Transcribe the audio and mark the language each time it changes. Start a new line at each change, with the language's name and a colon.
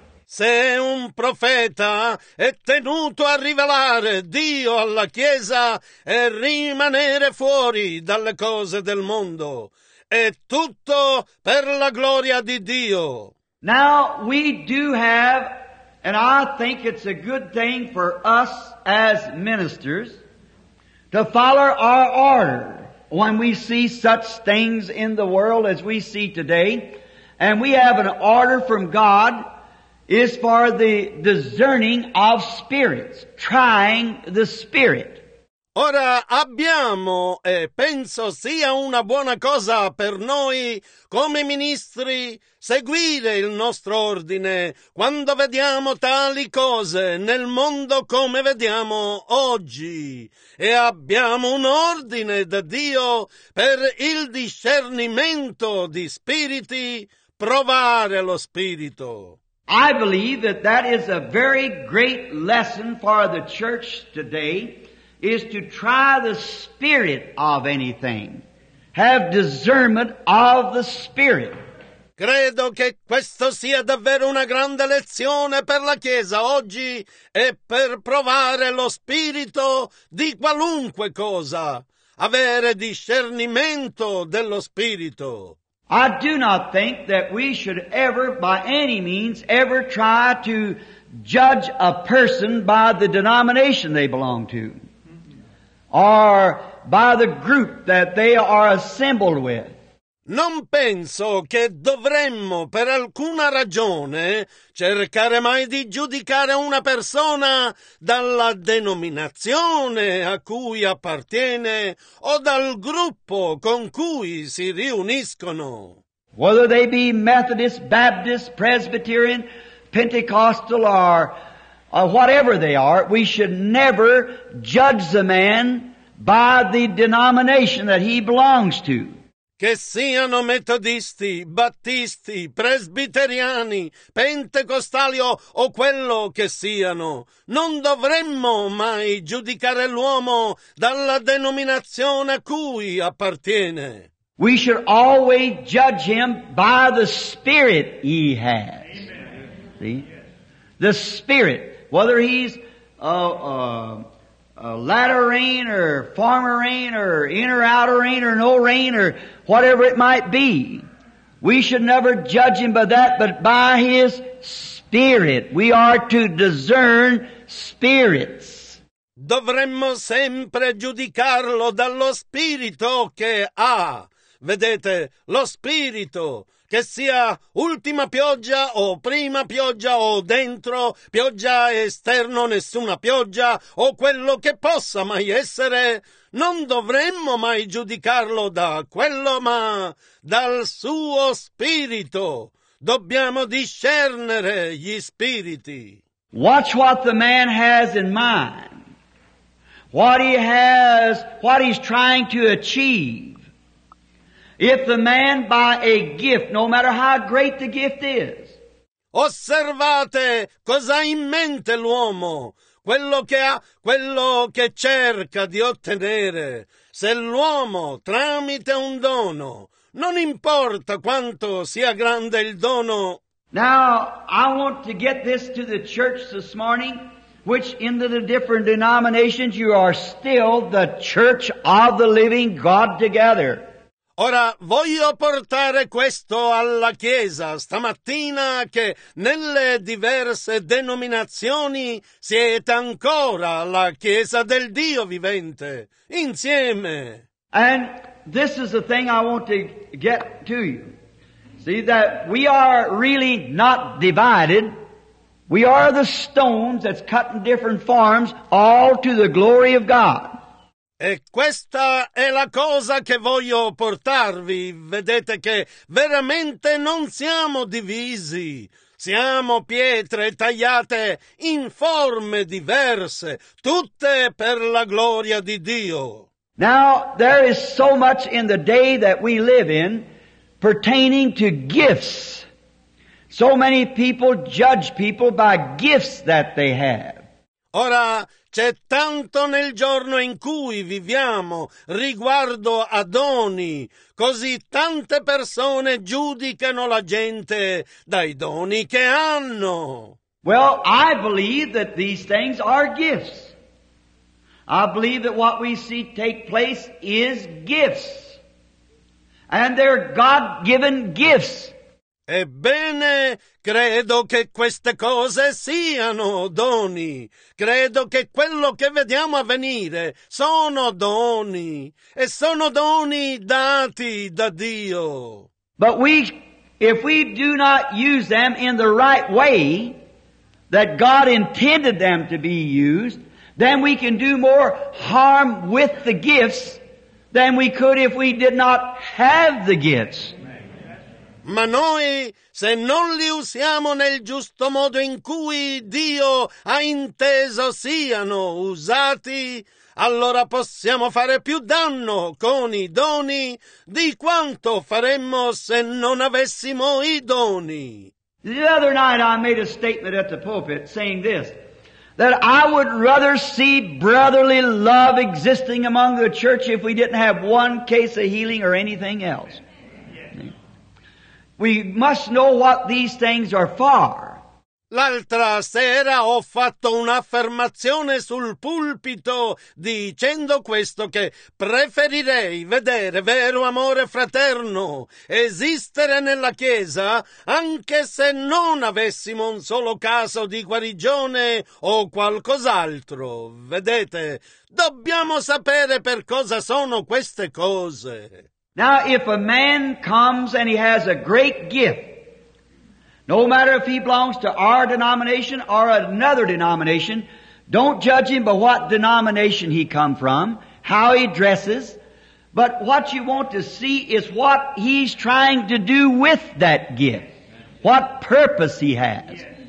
Italian: Se un profeta è tenuto a rivelare Dio alla Chiesa e rimanere fuori dalle cose del mondo, è tutto per la gloria di Dio.
English: Now we do have, and I think it's a good thing for us as ministers to follow our order when we see such things in the world as we see today. And we have an order from God is for the discerning of spirits, trying the spirit.
Italian: Ora abbiamo, e penso sia una buona cosa per noi come ministri, seguire il nostro ordine quando vediamo tali cose nel mondo come vediamo oggi. E abbiamo un ordine da Dio per il discernimento di spiriti, provare lo spirito.
English: I believe that that is a very great lesson for the church today. Is to try the spirit of anything. Have discernment of the spirit.
Italian: Credo che questo sia davvero una grande lezione per la Chiesa oggi e per provare lo spirito di qualunque cosa. Avere discernimento dello spirito.
English: I do not think that we should ever, by any means, ever try to judge a person by the denomination they belong to. Or by the group that they are assembled with.
Italian: Non penso che dovremmo, per alcuna ragione, cercare mai di giudicare una persona dalla denominazione a cui appartiene o dal gruppo con cui si riuniscono.
English: Whether they be Methodist, Baptist, Presbyterian, Pentecostal, or whatever they are, we should never judge the man by the denomination that he belongs to.
Italian: Che siano metodisti, battisti, presbiteriani, pentecostali o quello che siano, non dovremmo mai giudicare l'uomo dalla denominazione a cui appartiene.
English: We should always judge him by the spirit he has. Amen. See? The spirit, whether he's a latter rain or former rain or inner outer rain or no rain or whatever it might be. We should never judge him by that, but by his spirit. We are to discern spirits.
Italian: Dovremmo sempre giudicarlo dallo spirito che ha. Vedete, lo spirito, che sia ultima pioggia o prima pioggia o dentro, pioggia esterno, nessuna pioggia o quello che possa mai essere, non dovremmo mai giudicarlo da quello, ma dal suo spirito. Dobbiamo discernere gli spiriti.
English: Watch what the man has in mind, what he has, what he's trying to achieve. If the man by a gift, no matter how great the gift is.
Italian: Osservate cosa ha in mente l'uomo, quello che ha, quello che cerca di ottenere. Se l'uomo, tramite un dono, non importa quanto sia grande il dono.
English: Now, I want to get this to the church this morning, which in the different denominations you are still the church of the living God together.
Italian: Ora voglio portare questo alla Chiesa stamattina che nelle diverse denominazioni siete ancora la Chiesa del Dio vivente, insieme.
English: And this is the thing I want to get to you. See that we are really not divided. We are the stones that's cut in different forms, all to the glory of God.
Italian: E questa è la cosa che voglio portarvi. Vedete che veramente non siamo divisi. Siamo pietre tagliate in forme diverse, tutte per la gloria di Dio.
English: Now, there is so much in the day that we live in pertaining to gifts. So many people judge people by gifts that they have.
Italian: Ora, c'è tanto nel giorno in cui viviamo riguardo a doni, così tante persone giudicano la gente dai doni che hanno.
English: Well, I believe that these things are gifts. I believe that what we see take place is gifts. And they're God-given gifts.
Italian: Ebbene, credo che queste cose siano doni. Credo che quello che vediamo avvenire sono doni. E sono doni dati da Dio.
English: But we, if we do not use them in the right way, that God intended them to be used, then we can do more harm with the gifts than we could if we did not have the gifts.
Italian: Ma noi, se non li usiamo nel giusto modo in cui Dio ha inteso siano usati, allora possiamo fare più danno con i doni di quanto faremmo se non avessimo i doni.
English: The other night I made a statement at the pulpit saying this, that I would rather see brotherly love existing among the church if we didn't have one case of healing or anything else. We must know what these things are for.
Italian: L'altra sera ho fatto un'affermazione sul pulpito dicendo questo, che preferirei vedere vero amore fraterno esistere nella Chiesa anche se non avessimo un solo caso di guarigione o qualcos'altro. Vedete, dobbiamo sapere per cosa sono queste cose.
English: Now, if a man comes and he has a great gift, no matter if he belongs to our denomination or another denomination, don't judge him by what denomination he come from, how he dresses, but what you want to see is what he's trying to do with that gift, what purpose he has.